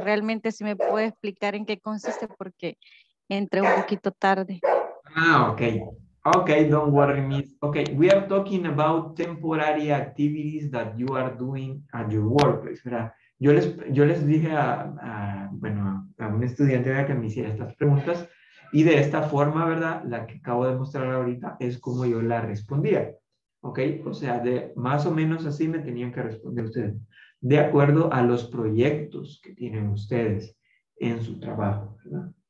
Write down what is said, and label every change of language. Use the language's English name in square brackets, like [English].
[Spanish] Realmente, si me puede explicar en qué consiste, porque entré un poquito tarde. [English] Ah, okay. Okay, don't worry, Miss. Okay, we are talking about temporary activities that you are doing at your workplace. [Spanish] Yo les dije a un estudiante que me hiciera estas preguntas y de esta forma, ¿verdad? La que acabo de mostrar ahorita es como yo la respondía. Okay, o sea, de más o menos así me tenían que responder ustedes. De acuerdo a los proyectos que tienen ustedes en su trabajo, ¿verdad?